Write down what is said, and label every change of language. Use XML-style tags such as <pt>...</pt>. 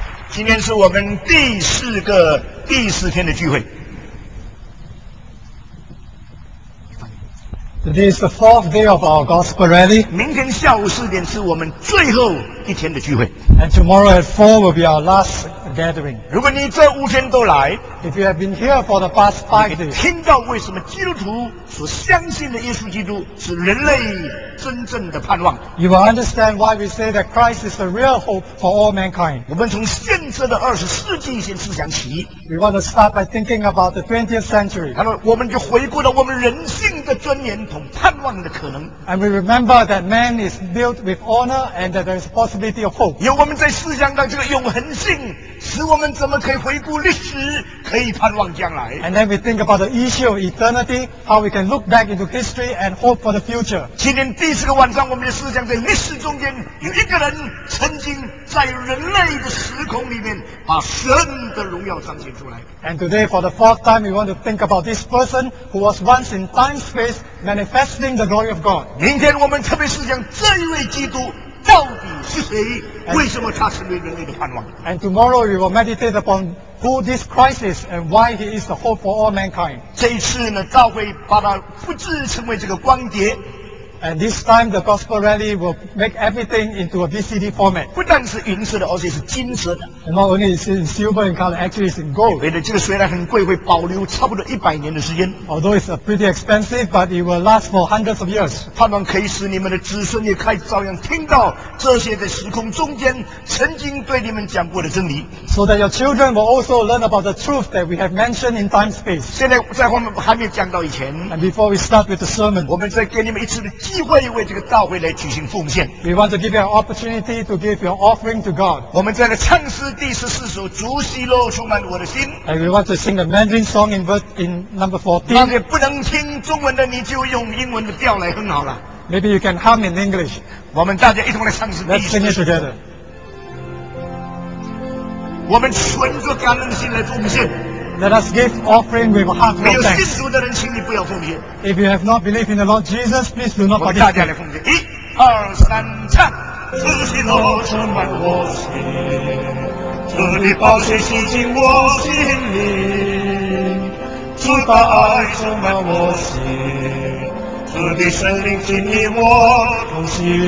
<zh>今天是我们第四天的聚会。</zh> <en>Today is the fourth day of our gospel rally.</en> <zh>明天下午四点是我们最后一天的聚会。</zh> <en>And tomorrow at four will be our last gathering.</en> <zh>如果你这五天都来</zh> <en>，If you have been here for the past five days,</en> <zh>听到为什么基督徒所相信的耶稣基督是人类真正的盼望。</zh> <en>You will understand why we say that Christ is the real hope for all mankind.</en> <zh>我们从现在的二十世纪先思想起。</zh> <en>We want to start by thinking about the 20th century.</en> <zh>然后我们就回顾到我们人性的尊严。</zh> <en>And we remember that man is built with honor and that there is a possibility of hope.</en> <zh>有我们在思想的这个永恒性，使我们怎么可以回顾历史，可以盼望将来。</zh> <en>And then we think about the issue of eternity, how we can look back into history and hope for the future.</en> <zh>今天第四个晚上，我们的思想在历史中间，有一个人曾经在人类的时空里面把神的荣耀彰显出来。</zh> <en>And today, for the fourth time, we want to think about this person who was once in time space manifesting the glory of God.</en> <zh>明天我们特别思想这一位基督到底是谁？</zh> <en>And,</en> <zh>为什么他成为人类的盼望？</zh> <en>And tomorrow we will meditate upon who this Christ is and why he is the hope for all mankind.</en> <zh>这一次呢，教会把它复制成为这个光碟。</zh> <en>And this time the gospel rally will make everything into a VCD format.</en> <zh>不但是银色的，而且是金色的。</zh> <en>And not only is it silver in color, actually it's in gold.</en> <zh>为了这个虽然很贵，会保留差不多一百年的时间。</zh> <en>Although it's pretty expensive, but it will last for hundreds of years.</en> <zh>盼望可以使你们的子孙也可以照样听到这些在时空中间曾经对你们讲过的真理。</zh> <en>So that your children will also learn about the truth that we have mentioned in time space.</en> <zh>现在在我们还没讲到以前。</zh> <en>And before we start with the sermon,</en> <zh>我们再给你们一次的机会为这个教会来举行奉献。</zh> <en>We want to give you an opportunity to give your offering to God.</en> <zh>我们在这唱诗第十四首，主喜乐充满我的心。</zh> <en>And we want to sing the Mandarin song in verse in number 14.</en> <zh>那些不能听中文的，你就用英文的调来哼好了。</zh> <en>Maybe you can hum in English.</en> <zh>我们大家一同来唱诗。</zh> <en>Let's sing it together.</en> <zh>我们存着感恩心来奉献。</zh> <en>Let us give offering with a heart of thanks.</en> <zh>没有信主的人，请你不要奉献。</zh> <en>If you have not believed in the Lord Jesus, please do not participate.</en> <zh>我们大家来奉献。一、二、三、唱。主喜乐充满我心，主的宝血洗净我心灵，主的爱充满我心，主的圣灵经历我同行。</zh>